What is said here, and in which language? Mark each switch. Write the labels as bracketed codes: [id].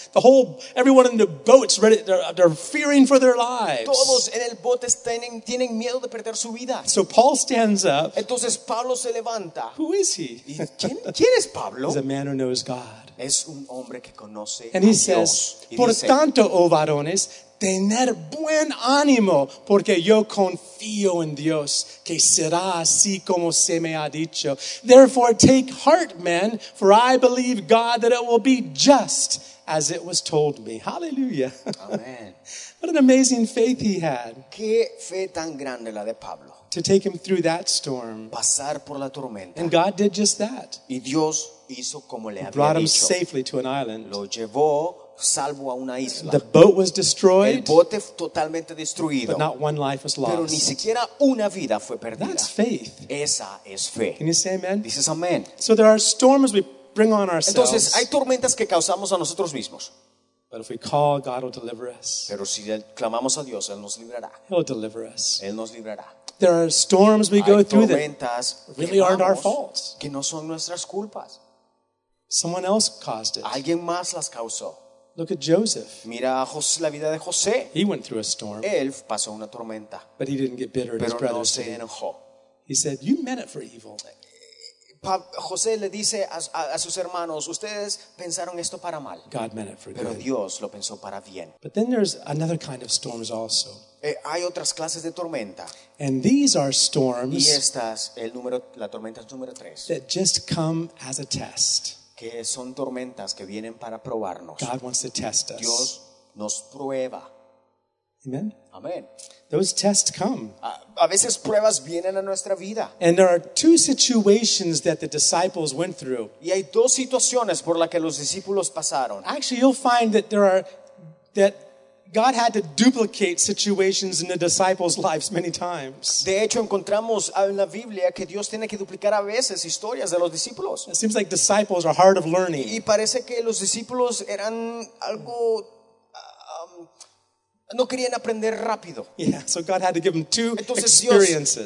[en] The whole, everyone in the boat's ready, they're fearing for their lives. [es] Todos en el bote tienen miedo de perder su vida. [en] So Paul stands up. [es] Entonces Pablo se levanta. [en] Who is he? [es] ¿Quién es Pablo? [en] He's a man who knows God. [es] Es un hombre que conoce a Dios. [en] And he says, [es] por tanto, oh varones, tener buen ánimo, porque yo confío en Dios, que será así como se me ha dicho. [en] Therefore, take heart, men, for I believe God that it will be just as it was told me. Hallelujah. Amen. What an amazing faith he had. [es] Qué fe tan grande la de Pablo. [en] To take him through that storm. [es] Pasar por la tormenta. [en] And God did just that. [es] Y Dios hizo como le había [en] brought [es] dicho. [en] Him safely to an island. [es] Lo llevó salvo a una isla. [en] The boat was destroyed. [es] El bote totalmente destruido. [en] But not one life was lost. [es] Pero ni siquiera una vida fue perdida. [en] That's faith. [es] Esa es fe. [en] Can you say amen? [es] Dices amen. [en] So there are storms we bring on ourselves. [es] Entonces hay tormentas que causamos a nosotros mismos. [en] But if we call, God will deliver us. [es] Pero si clamamos a Dios, Él nos librará. [en] He'll deliver us. [es] Él nos librará. [en] There are storms we [es] hay [en] go through that [es] tormentas [en] really aren't our faults. [es] Que no son nuestras culpas. [en] Someone else caused it. [es] Alguien más las causó. [en] Look at Joseph. [es] Mira la vida de José. [en] He went through a storm. [es] Él pasó una tormenta. [en] But he didn't get bitter at [es] Pero [en] his brothers. [es] No se enojó. [en] He said, "You meant it for evil." [es] José le dice a sus hermanos, ustedes pensaron esto para mal. [en] God meant it for [es] Pero [en] good. [es] Dios lo pensó para bien. [en] But then there's another kind of storms also. [es] Hay otras clases de tormenta. [en] And these are storms. [es] Y estas, la tormenta número 3. [en] That just come as a test. [es] Que son tormentas que vienen para probarnos. [en] God wants to test us. [es] Dios nos prueba. [en] Amen. [es] Amen. [en] Those tests come. [es] A veces pruebas vienen a nuestra vida. [en] And there are two situations that the disciples went through. [es] Y hay dos situaciones por las que los discípulos pasaron. [en] Actually, you'll find that there are that God had to duplicate situations in the disciples' lives many times. [es] De hecho, encontramos en la Biblia que Dios tiene que duplicar a veces historias de los discípulos. [en] It seems like disciples are hard of learning. [es] Y parece que los discípulos eran algo no querían aprender rápido. [en] Yeah, so God had to give them two [es] Entonces, [en] experiences.